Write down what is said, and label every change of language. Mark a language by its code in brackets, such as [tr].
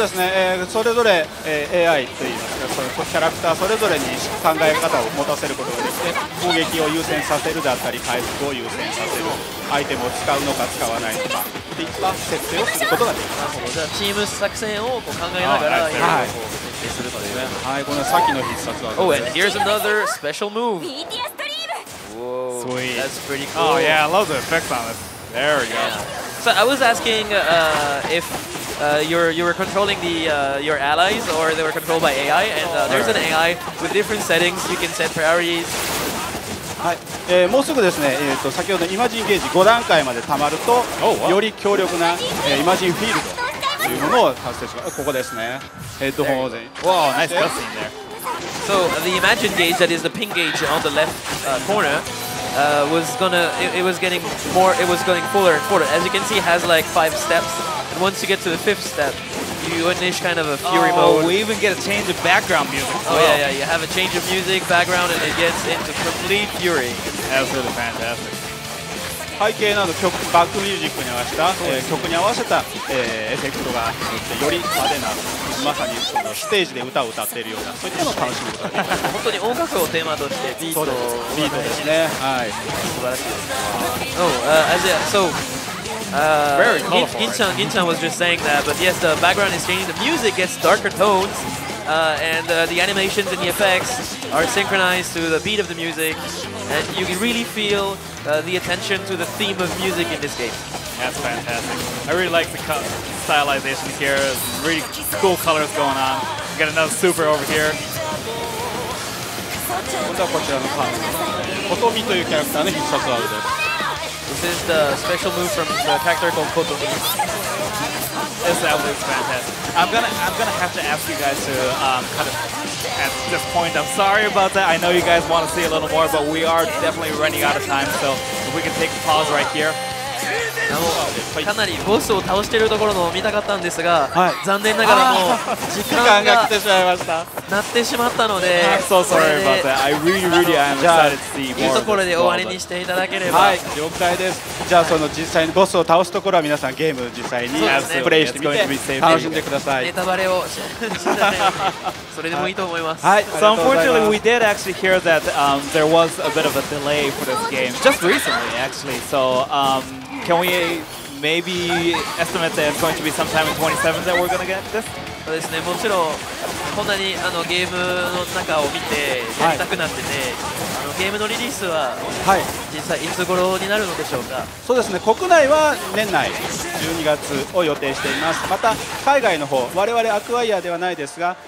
[ja] そうですね、それぞれ、AI といいますかそのキャラクターそれぞれに考え方を持たせることができて攻撃を優先させるだったり回復を優先させるアイテムを使うのか使わないとかっていった設定をすることができます。じゃあチーム作戦をこう考えながらいろいろ設定するというね、はい、このさっきの必殺技 [en] です。 Oh, and here's another special move. Whoa, sweet. That's pretty cool. Oh, yeah, I love the effects on it. There we go. Yeah. So I was asking if you were controlling your allies or they were controlled by AI, and there's an AI with different settings. You can set priorities. [ja] はい、もうすぐですね、先ほどイマジンゲージ5段階までたまると、 [en] oh, wow. [ja] より強力な、イマジンフィールドというものを達成します。ここですね。ヘッドホンをぜ [en] ひ。Wow, nice cutscene there. So the imagined gauge, that is the pink gauge on the left corner, was going fuller and fuller. As you can see, it has like 5 steps, and once you get to the 5th step, you unleash kind of a fury mode. We even get a change of background music. Oh yeah, yeah, you have a change of music, background, and it gets into complete fury. Absolutely fantastic. [ja] 背景など曲バックミュージックに合わせた、曲に合わせた、エフェクトがよりまでなまさにそのステージで歌を歌っているようなそういったのを楽しむことができます。本当に音楽をテーマとしてビートをビートですね。はい。素晴らしいです。 [en] Very [ja] colorful. [en] Gin-chan was just saying that, but yes, the background is changing. The music gets darker tones, and the animations and the effects are synchronized to the beat of the music. And you can really feel the attention to the theme of music in this game. That's fantastic. I really like the stylization here. Really cool colors going on. We got another super over here. [ja] 今度はこちらのカードことみというキャラクターの必殺技です。 [en] This is the special move from the character called ことみ。 This absolutely is fantastic. I'm gonna have to ask you guys to cut it at this point. I'm sorry about that. I know you guys want to see a little more, but we are definitely running out of time, so if we can take a pause right here [ja] かなりボスを倒しているところのを見たかったんですが、はい、残念ながらもう時間が来てしまいましたなってしまったので [en] I'm so sorry about that. I really really am excited to see more [ja] いうところで終わりにしていただければ、はい、了解です。じゃあその実際にボスを倒すところは皆さんゲーム実際に、ね、プレイしてみて楽しんでください。ネタバレをしてそれでもいいと思います。はい、 [en] So unfortunately we did actually hear that、there was a bit of a delay for this game just recently actually. So、can we maybe estimate that it's going to be sometime in 27 that we're going to get this? [ja] そうですね、もちろんこんなにあのゲームの中を見てやりたくなってて、はい、あのゲームのリリースは、はい、実際いつ頃になるのでしょうか。そうですね、国内は年内12月を予定しています。また海外の方、我々アクワイアではないですが、